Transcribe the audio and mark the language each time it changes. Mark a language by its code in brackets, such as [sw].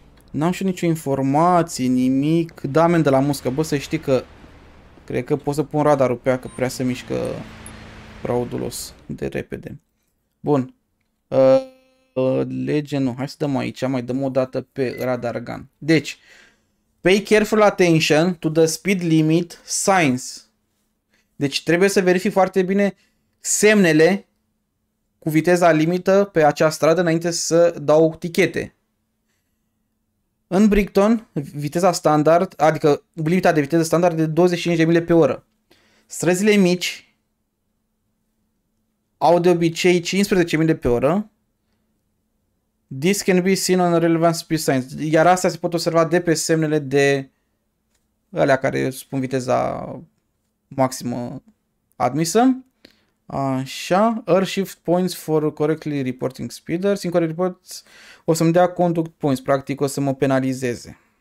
[ro] N-am și nicio informație, nimic. Da, amen de la muscă. Bă, să știi că... Cred că pot să pun radarul pe ea, că prea se mișcă fraudulos de repede. Bun. Lege nu. Hai să dăm aici. Mai dăm o dată pe radar gun. Deci, [en] pay careful attention to the speed limit signs. [ro] Deci trebuie să verifici foarte bine semnele cu viteza limită pe acea stradă înainte să dau tichete. În Brighton, viteza standard, adică limita de viteză standard de 25 de mile pe oră. Străzile mici au de obicei 15 mile pe oră. [en] This can be seen on relevant speed signs. [ro] Iar astea se pot observa de pe semnele de alea care spun viteza maximă admisă. Așa, [en] earth shift points for correctly reporting speeders. Incorrect reports [ro] o să-mi dea conduct points, practic o să mă penalizeze.